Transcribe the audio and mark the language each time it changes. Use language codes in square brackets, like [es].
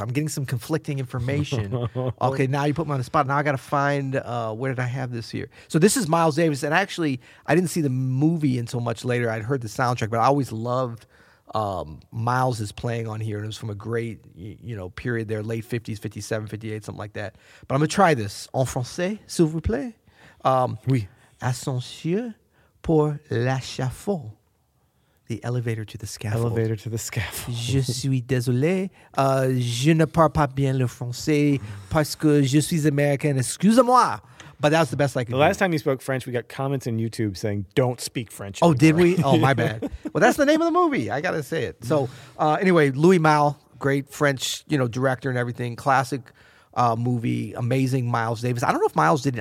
[en] I'm getting some conflicting information. Okay, now you put me on the spot. Now I got to find, where did I have this here? So this is Miles Davis. And actually, I didn't see the movie until much later. I'd heard the soundtrack, but I always loved Miles' playing on here. And it was from a great, period there, late 50s, 57, 58, something like that. But I'm going to try this. [fr] En français, s'il vous plaît. Oui. Ascension pour l'échafaud. [en] The elevator to the scaffold. Elevator to the scaffold. [fr] Je suis désolé. Je ne parle pas bien le français parce que je suis américain. Excusez-moi. [en] But that was the best I could do. Last time you spoke French, we got comments on YouTube saying, don't speak French anymore. Oh, did we? Oh, my bad. Well, that's the name of the movie. I got to say it. So anyway, Louis Malle, great French director and everything. Classic movie. Amazing Miles Davis. I don't know if Miles did it.